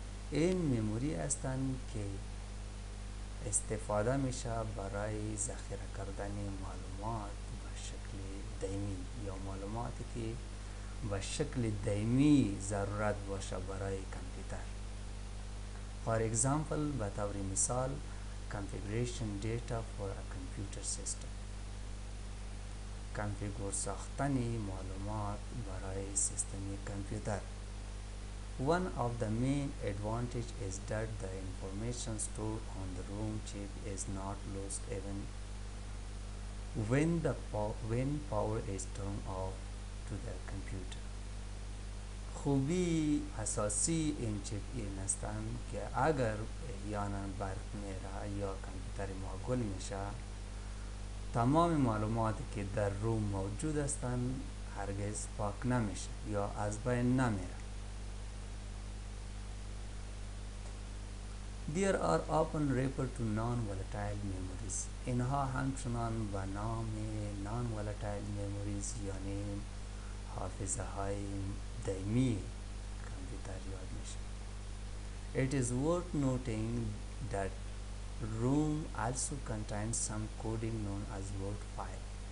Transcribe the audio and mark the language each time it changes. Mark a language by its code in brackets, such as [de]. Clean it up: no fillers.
[fa] این میموری هستند که استفاده میشه برای ذخیره کردن معلومات به شکل دائمی، یا معلوماتی که به شکل دائمی ضرورت باشه برای کامپیوتر. [en] For example، به طور مثال configuration data for a computer system. [fa] کانفیگور ساختن معلومات برای سیستم کامپیوتر. [en] One of the main advantage is that the information stored on the ROM chip is not lost even when power is turned off to the computer. [fa] خوبی اساسی این چپ این هستن که اگر یانا برق میره یا کمپیوتر ما گل میشه، تمام معلومات که در روم موجود هستن هرگز پاک نمیشه یا از بین نمیره. [en] There are often referred to non-volatile memories. [fa] اینها همچنان با نام non-volatile memories یعنی حافظه های دائمی کامپیوتر یاد میشه. [en] It is worth noting that ROM also contains some coding known as word file.